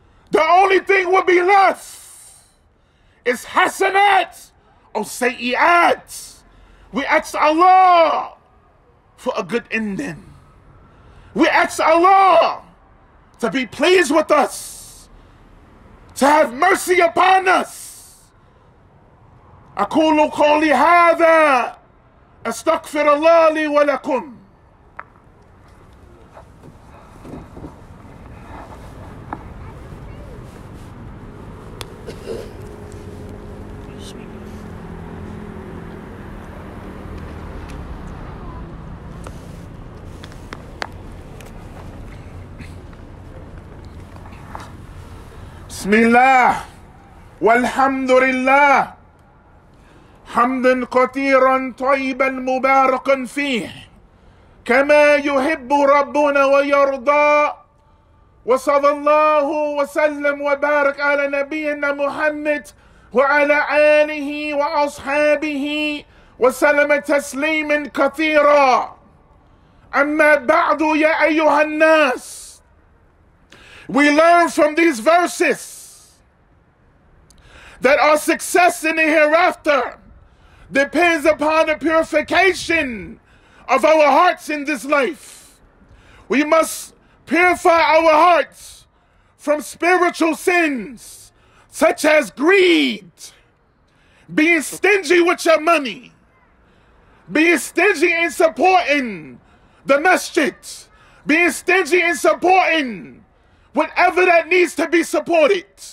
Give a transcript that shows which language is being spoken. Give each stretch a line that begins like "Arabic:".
English: The only thing will be left is hasanat or sayyiat. We ask Allah for a good ending. We ask Allah to be pleased with us, to have mercy upon us.
Arabic: أقول قولي هذا أستغفر الله لي ولكم. بسم الله والحمد لله حمدا كثيرا طيبا مباركا فيه كما يحب ربنا ويرضى وصلى الله وسلم وبارك على نبينا محمد وعلى آله وأصحابه وسلم تسليما كثيرا أما بعد يا أيها الناس.
English: We learn from these verses that our success in the hereafter depends upon the purification of our hearts in this life. We must purify our hearts from spiritual sins, such as greed, being stingy with your money, being stingy in supporting the masjid, being stingy in supporting whatever that needs to be supported.